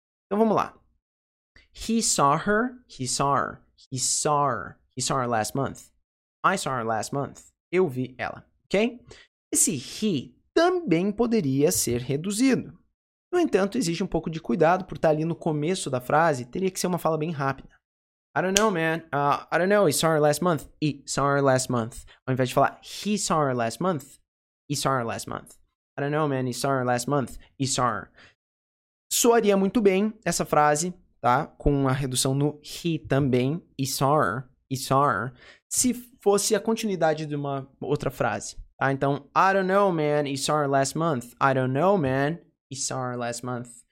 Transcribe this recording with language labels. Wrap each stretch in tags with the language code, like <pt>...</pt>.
<pt>Então, vamos lá.</pt> <en>He saw her. He saw her. He saw her. He saw her last month. I saw her last month.</en> <pt>Eu vi ela. Ok? Esse he também poderia ser reduzido. No entanto, exige um pouco de cuidado por estar ali no começo da frase. Teria que ser uma fala bem rápida.</pt> <en>I don't know, man. I don't know. He saw her last month. He saw her last month.</en> <pt>Ao invés de falar</pt> <en>he saw her last month, he saw her last month. I don't know, man. He saw her last month. He saw her.</en> <pt>Soaria muito bem essa frase, tá? Com a redução no he também.</pt> <en>He saw her. It's R.</en> <pt>Se fosse a continuidade de uma outra frase. Tá? Então,</pt> <en>I don't know, man. It's R last month. I don't know, man. It's R last month.</en>